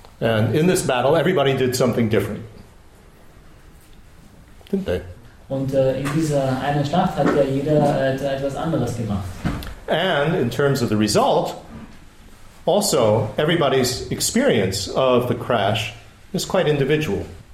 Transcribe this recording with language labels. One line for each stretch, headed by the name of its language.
English: And in this battle, everybody did something different, didn't they?
German: Und in dieser einen Schlacht hat ja jeder etwas anderes gemacht.
English: And in terms of the result, also everybody's experience of the crash is quite individual.